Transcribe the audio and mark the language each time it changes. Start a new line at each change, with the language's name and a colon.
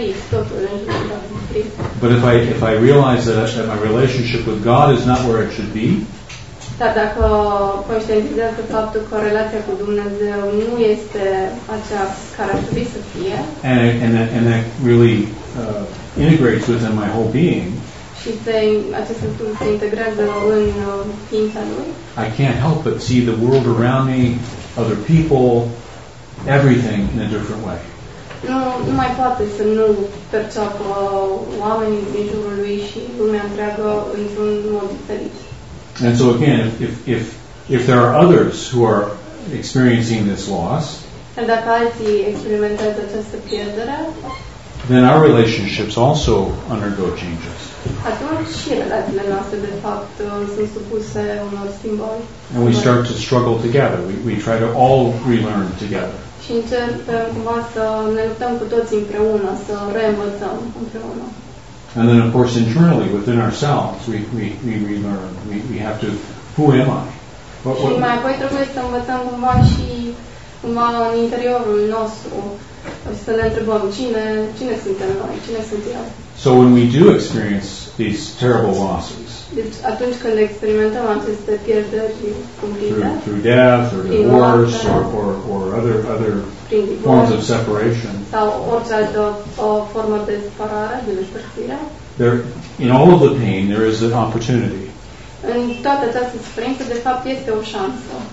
English: But if I realize that my relationship with God is not where it should be,
Romanian: dar dacă conștientizez că faptul că relația cu Dumnezeu nu este acea care ar trebui să fie,
English: and that really integrates within my whole being,
Romanian: și acest lucru se integrează în ființa lui,
English: I can't help but see the world around me, other people, everything in a different way.
Romanian: Nu mai poate să nu percep oamenii din jurul lui și lumea întreagă într-un mod diferit.
English: And so again, if there are others who are experiencing this loss, and
Romanian: dacă alții experimentează această pierdere,
English: then our relationships also undergo changes.
Romanian: Atunci și relațiile noastre, de fapt, sunt supuse unor schimbări.
English: And we start to struggle together. We try to all relearn together.
Romanian: Și încercăm cumva să ne luptăm cu toți împreună, să reînvățăm împreună.
English: And then, of course, internally, within ourselves, we relearn. We have to, who am I?
Romanian: Și mai apoi trebuie să învățăm cumva și în interiorul nostru, să ne întrebăm cine suntem noi, cine sunt eu.
English: So when we do experience these terrible losses,
Romanian: deci atunci când experimentăm aceste pierderi cumplite,
English: through death or divorce or other forms of separation,
Romanian: sau orice altă formă de separare, de despărțire,
English: there, in all of the pain, there is an opportunity.
Romanian: În toată această suferință, de fapt, este o șansă.